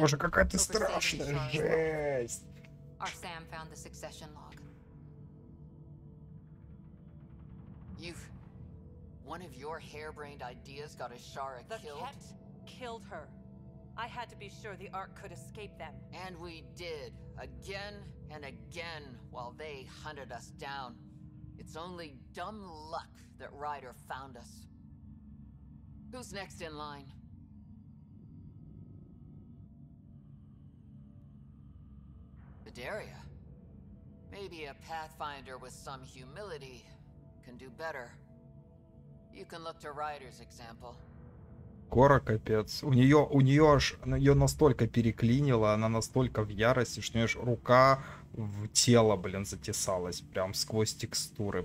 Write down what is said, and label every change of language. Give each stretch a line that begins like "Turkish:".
Russian: Боже, какая ты страшная, жесть.
English: Our Sam found the succession log. You've one of your harebrained ideas got Ashara the killed. The Ket killed her. I had to be sure the Ark could escape them. And we did, again and again, while they hunted us down. It's only dumb luck that Ryder found us. Who's next in line? Daria. Maybe a Pathfinder with some humility can do better. You can look to Ryder's example.
Russian: Кора, капец. У нее аж ее настолько переклинило, она настолько в ярости, что у нее аж рука в тело, блин, затесалась прям сквозь текстуры.